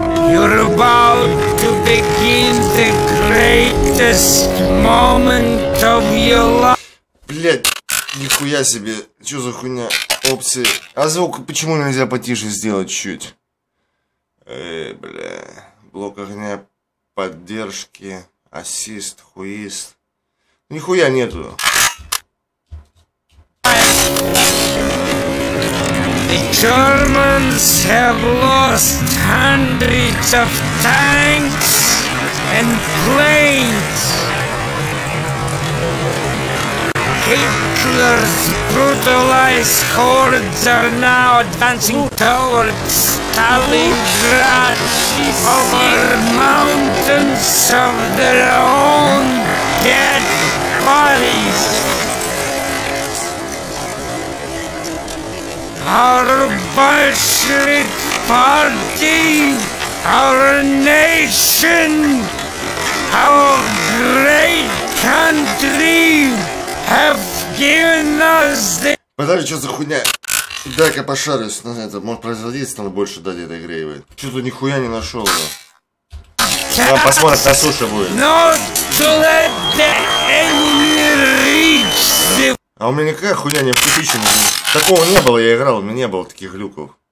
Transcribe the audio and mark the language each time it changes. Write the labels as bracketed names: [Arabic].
[English] You're about to begin the greatest moment of your life. [Russian] Блять, нихуя себе, чё за хуйня, опции. А звук почему нельзя потише сделать чуть? Бля, блок огня, поддержки, ассист, хуист. Нихуя нету. [English] The Germans have lost hundreds of tanks and planes. Hitler's brutalized hordes are now advancing towards Stalingrad over mountains of their own dead bodies. Our Bolshevik party, our nation, our great country have given us the... [Russian] Подожди, что за хуйня? Дай-ка пошарюсь на это, может производиться надо больше дать этой игре. Чё-то нихуя не нашёл его. Ладно, посмотрим, как на суше будет. [English] Not to let the enemy reach the... [Russian] А у меня никакая хуйня не включена. Такого не было, я играл, у меня не было таких глюков.